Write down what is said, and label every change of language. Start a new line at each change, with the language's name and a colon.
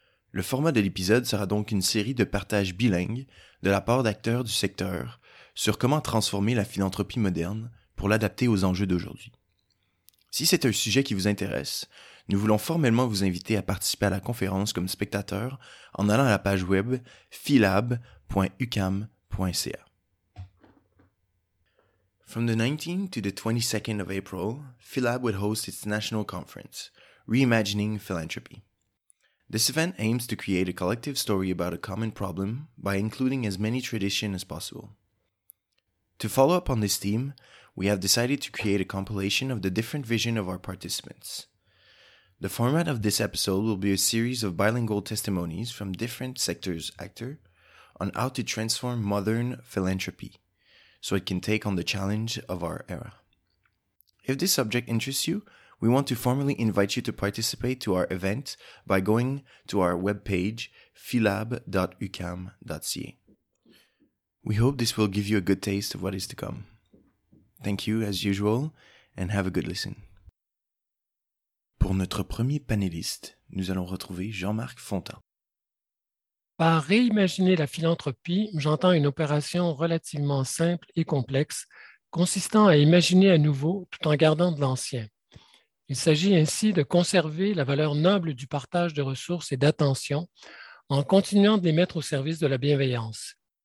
French: Le format de l'épisode sera donc une série de partages bilingues de la part d'acteurs du secteur sur comment transformer la philanthropie moderne pour l'adapter aux enjeux d'aujourd'hui. Si c'est un sujet qui vous intéresse, nous voulons formellement vous inviter à participer à la conférence comme spectateur en allant à la page web philhab.ucam.ca.
English: From the 19th to the 22nd of April, PhilHab will host its national conference, Reimagining Philanthropy. This event aims to create a collective story about a common problem by including as many traditions as possible. To follow up on this theme, we have decided to create a compilation of the different vision of our participants. The format of this episode will be a series of bilingual testimonies from different sectors actors on how to transform modern philanthropy so it can take on the challenge of our era. If this subject interests you, we want to formally invite you to participate to our event by going to our webpage philhab.ucam.ca. We hope this will give you a good taste of what is to come. Thank you, as usual, and have a good listen.
French: Pour notre premier panéliste, nous allons retrouver Jean-Marc Fontan. Par réimaginer la philanthropie, j'entends une opération relativement simple et complexe, consistant à imaginer à nouveau tout en gardant de l'ancien. Il s'agit ainsi de conserver la valeur noble du partage de ressources et d'attention en continuant de les mettre au service de la bienveillance.